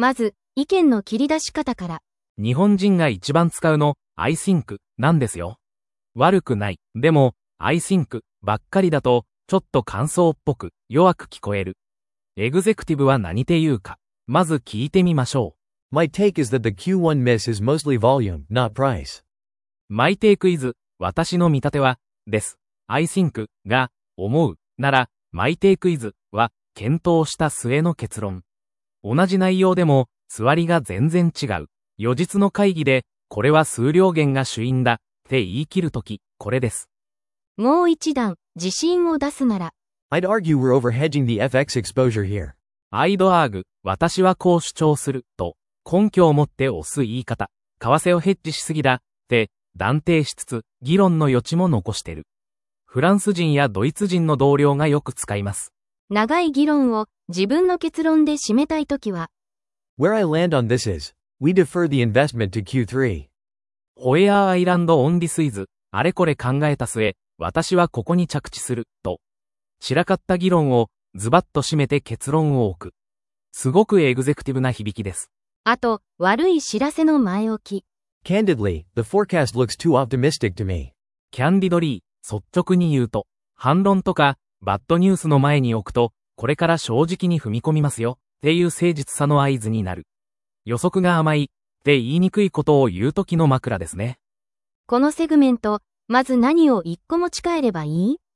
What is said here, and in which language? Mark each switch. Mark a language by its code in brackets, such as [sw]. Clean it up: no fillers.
[ja] まず、意見の切り出し方から。日本人が一番使うの、 [en] I think [ja] なんですよ。悪くない。でも、 [en] I think [ja] ばっかりだと、ちょっと感想っぽく、弱く聞こえる。エグゼクティブは何て言うか、まず聞いてみましょう。 [en] My take is that the Q1 miss is mostly volume, not price. My take is, [ja] 私の見立ては、です。I think が、思う、なら、My take is は、検討した末の結論。同じ内容でも、座りが全然違う。予日の会議で、これは数量源が主因だ、って言い切るとき、これです。もう一段、自信を出すなら。 [en] I'd argue we're over-hedging the FX exposure here. I'd argue, [ja] 私はこう主張する、と、根拠を持って押す言い方。為替をヘッジしすぎだ、って、断定しつつ、議論の余地も残してる。フランス人やドイツ人の同僚がよく使います。長い議論を、自分の結論で締めたいときは、 [en] Where I land on this is, we defer the investment to Q3. Where I land on this is, [ja] あれこれ考えた末、私はここに着地する、と。散らかった議論をズバッと締めて結論を置く。すごくエグゼクティブな響きです。あと、悪い知らせの前置き。 [en] Candidly, the forecast looks too optimistic to me. [ja] Candidly, 率直に言うと、反論とか、バッドニュースの前に置くと、これから正直に踏み込みますよ。っていう誠実さの合図になる。予測が甘いって言いにくいことを言うときの枕ですね。このセグメント、まず何を一個持ち帰ればいい？